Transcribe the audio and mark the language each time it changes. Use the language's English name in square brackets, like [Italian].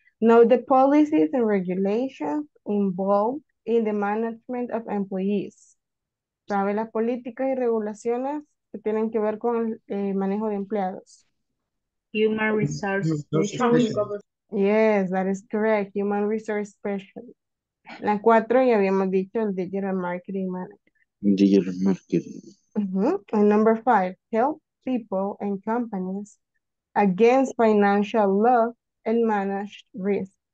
[English] Know the policies and regulations involved in the management of employees. [Spanish] Sabe las políticas y regulaciones que tienen que ver con el manejo de empleados. [English] Human resource. Yes, that is correct. Human resource specialist. [Spanish] La cuatro ya habíamos dicho el digital marketing manager. [English] Digital marketing. And number five, help people and companies against financial loss and manage risk.